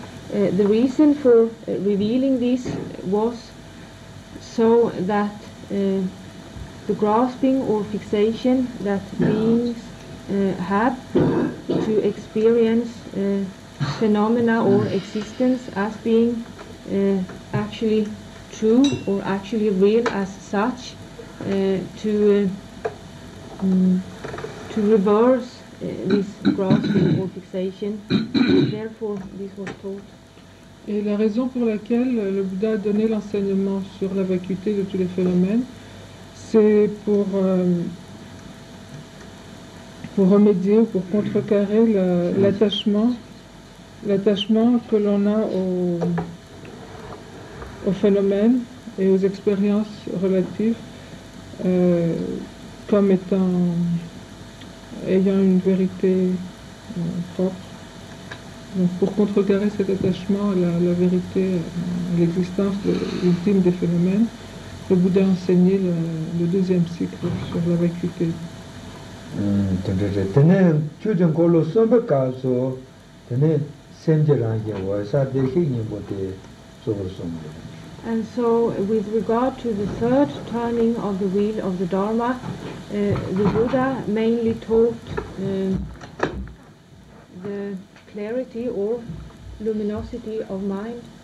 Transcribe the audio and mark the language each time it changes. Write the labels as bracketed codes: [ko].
[en] The reason for revealing this was so that the grasping or fixation that beings have to experience phenomena or existence as being actually true or actually real as such, to reverse this grasping or fixation. Therefore, this was taught. [fr] Et la raison pour laquelle le Bouddha a donné l'enseignement sur la vacuité de tous les phénomènes, c'est pour pour remédier ou pour contrecarrer l'attachement que l'on a au phénomène et aux expériences relatives comme ayant une vérité propre. Donc pour contrecarrer cet attachement à la vérité, à l'existence ultime des phénomènes, le Bouddha a enseigné le deuxième cycle sur la vacuité. [en] And so, with regard to the third turning of the wheel of the Dharma, the Buddha mainly taught the clarity or luminosity of mind.